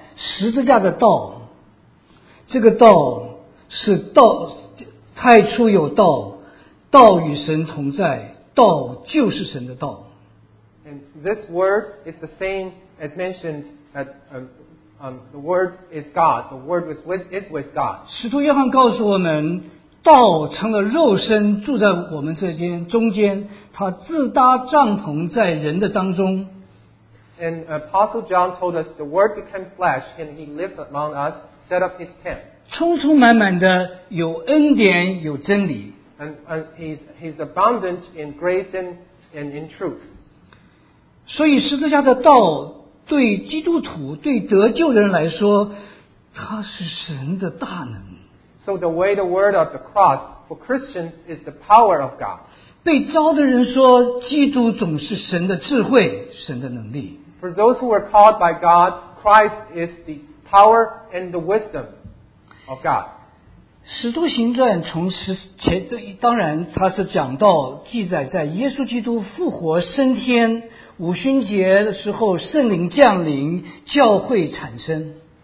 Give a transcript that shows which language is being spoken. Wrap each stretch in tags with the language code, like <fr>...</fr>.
<zh>十字架的道, 这个道是道, 太初有道, 道与神同在, 道就是神的道。</zh> <en>And this word is the same as mentioned at the word is God. The word is with God.</en> <zh>使徒约翰告诉我们, 道成了肉身住在我们这间中间, 祂自搭帐篷在人的当中。</zh> <en>And Apostle John told us the word became flesh and he lived among us, set up his tent.</en> <zh>充充满满的有恩典有真理。</zh> <en>And he's abundant in grace and in truth.</en> <zh>所以十字架的道, 对基督徒, 对得救的人来说, 祂是神的大能。</zh> <en>So the way the word of the cross for Christians is the power of God.</en> <zh>被召的人说, 基督总是神的智慧, 神的能力。</zh> <en>For those who are called by God, Christ is the power and the wisdom of God.</en> <zh>使徒行传从十前, 当然它是讲到记载在耶稣基督复活升天, 五旬节的时候圣灵降临教会产生。</zh>